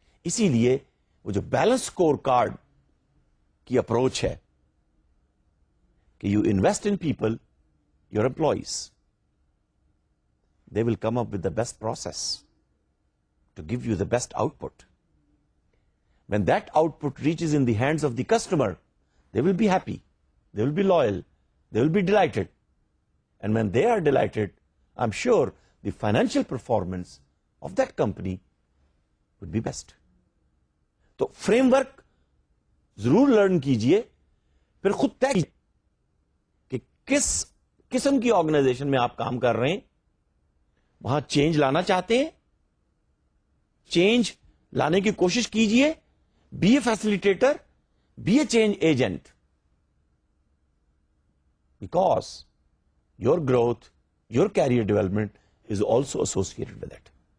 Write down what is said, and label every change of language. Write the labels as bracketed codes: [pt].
[ur] اسی لیے وہ جو بیلنس اسکور کارڈ کی اپروچ ہے کہ [en] You invest in people, your employees, they will come up with the best process to give you the best output. When that output reaches in the hands of the customer, they will be happy, they will be loyal, they will be delighted. And when they are delighted, I'm sure the financial performance of that company would be best. [ur] So, framework, ضرور learn کیجئے, پھر خود طے کیجئے کہ کس قسم کی organization میں آپ کام کر رہے ہیں, وہاں change لانا چاہتے ہیں, change لانے کی کوشش کیجئے. [en] Be a facilitator, be a change agent, because your growth, your career development is also associated with it.